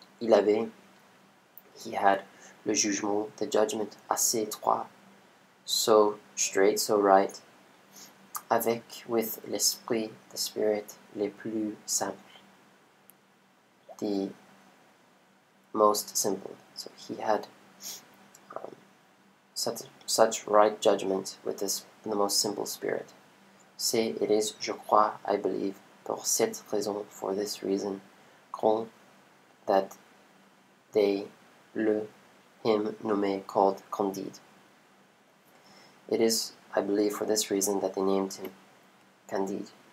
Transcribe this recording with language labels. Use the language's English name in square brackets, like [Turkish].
[English] He had the judgment [French] assez droit, [English] so straight, so right, with [French] l'esprit, [English] the spirit, [French] le plus simple, [English] the most simple. So he had such right judgment with this, the most simple spirit. [French] C'est, [English] it is, [French] je crois, [English] I believe, [French] pour cette raison, [English] for this reason, [French] qu'on, [English] that they, [French] le, [English] him, [French] nommé, [English] called [French] Candide. [English] It is, I believe, for this reason that they named him Candide.